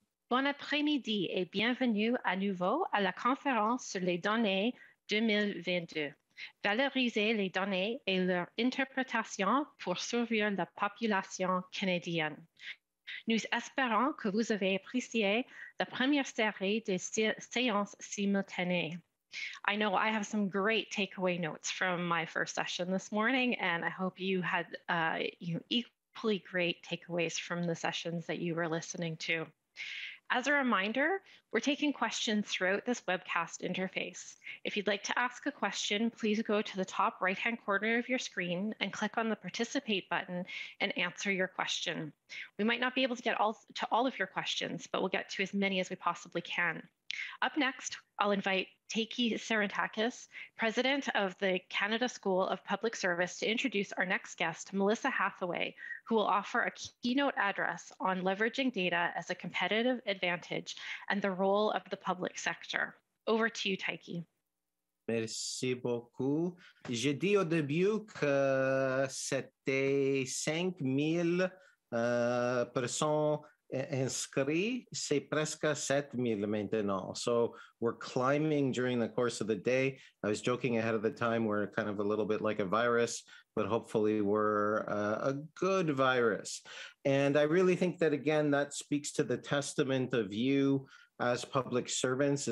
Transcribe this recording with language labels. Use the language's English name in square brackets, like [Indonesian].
[French] Bon après-midi et bienvenue à nouveau à la conférence sur les données 2022. Valoriser les données et leur interprétation pour servir la population canadienne. Nous espérons que vous avez apprécié la première série de séances simultanées. [English] I know I have some great takeaway notes from my first session this morning, and I hope you had equally great takeaways from the sessions that you were listening to. As a reminder, we're taking questions throughout this webcast interface. If you'd like to ask a question, please go to the top right-hand corner of your screen and click on the participate button and answer your question. We might not be able to get to all of your questions, but we'll get to as many as we possibly can. Up next, I'll invite Teiki Sarantakis, President of the Canada School of Public Service, to introduce our next guest, Melissa Hathaway, who will offer a keynote address on leveraging data as a competitive advantage and the role of the public sector. Over to you, Teiki. [French] Merci beaucoup. J'ai dit au début que c'était 5000 personnes inscrit, c'est presque 7000 maintenant. [English] So we're climbing during the course of the day. I was joking ahead of the time, we're kind of a little bit like a virus, but hopefully we're a good virus. And I really think that, again, that speaks to the testament of you as public servants.